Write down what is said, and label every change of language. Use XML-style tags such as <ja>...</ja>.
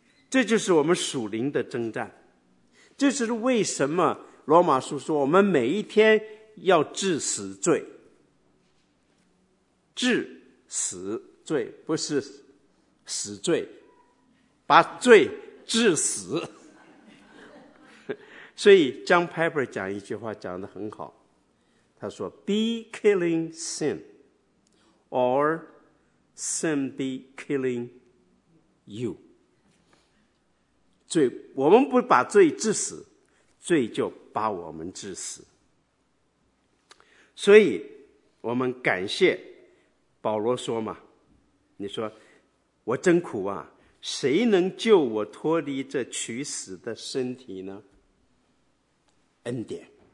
<zh>这就是我们属灵的征战，这是为什么罗马书说我们每一天要致死罪。致死罪不是死罪，把罪致死。所以 John Piper 讲一句话讲得很好，他说</zh> <en>Be killing sin or sin be killing you。</en> <zh>罪，我们不把罪致死，罪就把我们致死。所以我们感谢保罗说嘛，你说我真苦啊，谁能救我脱离这取死的身体呢？恩典。</zh>